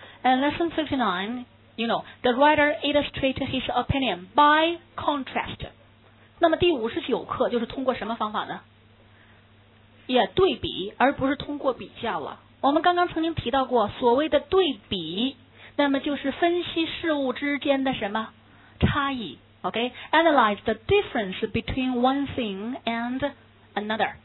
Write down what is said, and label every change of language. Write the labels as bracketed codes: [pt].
[en] And lesson 59, you know, the writer illustrated his opinion by contrast. [zh] 那么第59课就是通过什么方法呢？也、yeah, 对比而不是通过比较了。我们刚刚曾经提到过所谓的对比，那么就是分析事物之间的什么差异， OK? [en] Analyze the difference between one thing and another.